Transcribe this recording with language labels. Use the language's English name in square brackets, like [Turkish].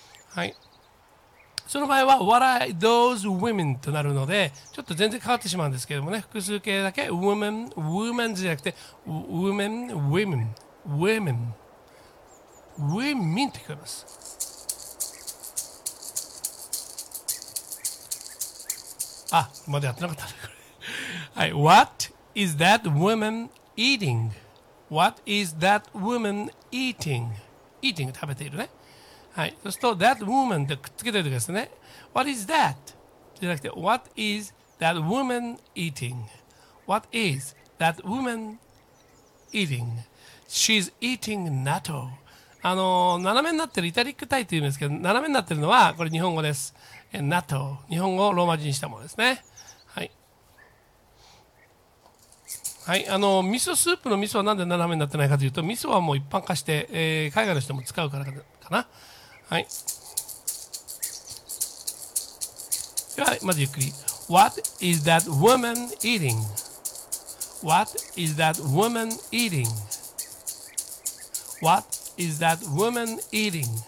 [Japanese] はい、その場合は [English] What are those women [Japanese] となるのでちょっと全然変わってしまうんですけどもね、複数形だけ Women, Women じゃなくて Women, Women, Women, Women と聞こえます。あ、まだやってなかった、ね、はい、 [English] What is that woman eatingWhat is that woman eating? [Japanese] Eating 食べているね。はい。そうすると、that woman ってくっつけておいてくださいね。 [English] What is that? [Japanese] じゃなくて、 [English] What is that woman eating? What is that woman eating? She's eating natto. [Japanese] 斜めになってるイタリックタイって言うんですけど、斜めになってるのは、これ日本語です。 natto。日本語をローマ字にしたものですね。はい。はい、あの味噌スープの味噌はなんで斜めになってないかというと、味噌はもう一般化して、海外の人も使うからかな。はい、ではまずゆっくり。 [English] What is that woman eating? What is that woman eating? What is that woman eating?